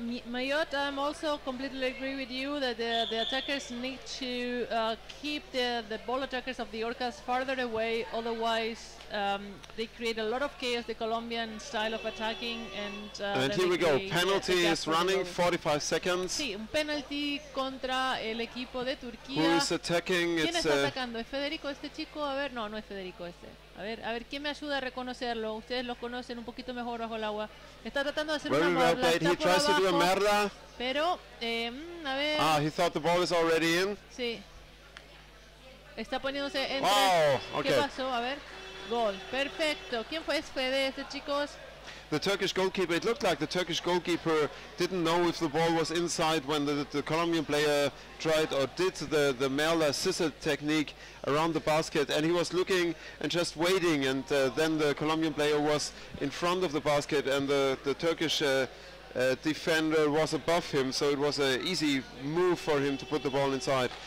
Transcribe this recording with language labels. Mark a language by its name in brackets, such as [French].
[English] Mayotte, I'm also completely agree with you that the attackers need to keep the ball attackers of the Orcas farther away. Otherwise, they create a lot of chaos, the Colombian style of attacking. And here we go. Penalty is running, 45 seconds. [Spanish] Sí, un penalty contra el equipo de Turquía. [English] Who is attacking? [Spanish] ¿Quién está atacando? ¿Es Federico este chico? A ver, no es Federico este. A ver, ¿quién me ayuda a reconocerlo? Ustedes lo conocen un poquito mejor bajo el agua. Está tratando de hacer [English] very [Spanish] una [English] well [Spanish] marla, está he por abajo, merla. Pero, a ver... [English] Ah, he thought the ball is already in. [Spanish] Sí. Está poniéndose entre... [English] Wow, okay. [Spanish] ¿Qué pasó? A ver. Gol. Perfecto. ¿Quién fue? ¿Es Fede este, chicos? [English] The Turkish goalkeeper, it looked like the Turkish goalkeeper didn't know if the ball was inside when the Colombian player tried or did the Merla scissor technique around the basket, and he was looking and just waiting, and then the Colombian player was in front of the basket and the Turkish defender was above him, so it was an easy move for him to put the ball inside.